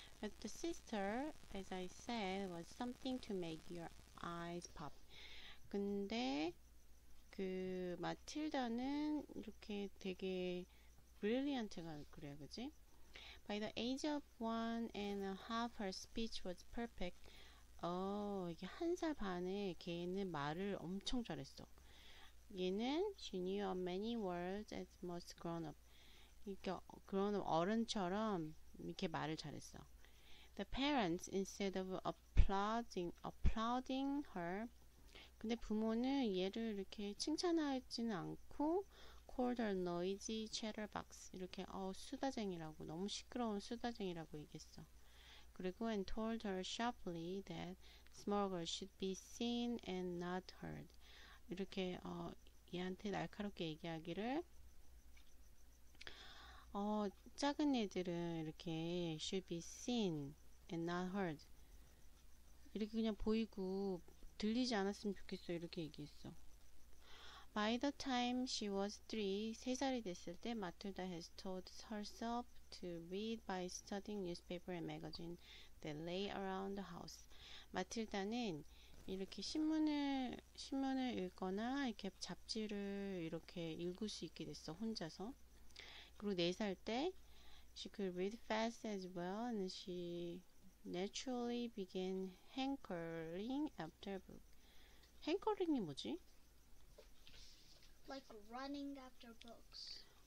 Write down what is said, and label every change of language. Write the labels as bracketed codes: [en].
[en] But the sister, as I said, was something to make your eyes pop. [ko] 근데 그 마틸다는 이렇게 되게 brilliant가 그래야 그지? [en] By the age of one and a half, her speech was perfect. [ko] 이게 한 살 반에 걔는 말을 엄청 잘했어. 얘는 [en] she knew of many words as most grown-up. [ko] 이렇게 grown-up 어른처럼 이렇게 말을 잘했어. [en] The parents, instead of applauding her, [ko] 근데 부모는 얘를 이렇게 칭찬하지는 않고 [en] called her noisy chatterbox. [ko] 이렇게 수다쟁이라고, 너무 시끄러운 수다쟁이라고 얘기했어. 그리고 [en] and told her sharply that small girls should be seen and not heard. [ko] 이렇게 얘한테 날카롭게 얘기하기를 작은 애들은 이렇게 [en] should be seen and not heard. [ko] 이렇게 그냥 보이고 들리지 않았으면 좋겠어. 이렇게 얘기했어. [en] By the time she was three, [ko] 세 살이 됐을 때 [en] Matilda has taught herself to read by studying newspaper and magazine that lay around the house. [ko] Matilda는 이렇게 신문을 읽거나 이렇게 잡지를 이렇게 읽을 수 있게 됐어, 혼자서. 그리고 네 살 때 [en] she could read fast as well and she naturally began hankering after a book. [ko] Hankering이 뭐지? [en] Like running after books.